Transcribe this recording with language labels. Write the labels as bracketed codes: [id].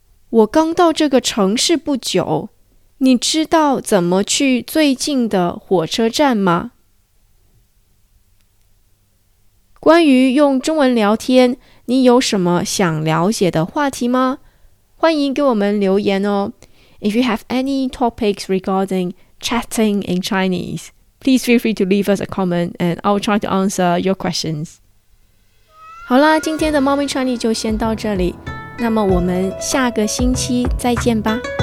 [zh] 我刚到这个城市不久，你知道怎么去最近的火车站吗？关于用中文聊天，你有什么想了解的话题吗？欢迎给我们留言哦。 [en] If you have any topics regarding chatting in Chinese, please feel free to leave us a comment and I'll try to answer your questions. [zh] 好啦，今天的 Mommy Chinese 就先到这里。那么我们下个星期再见吧。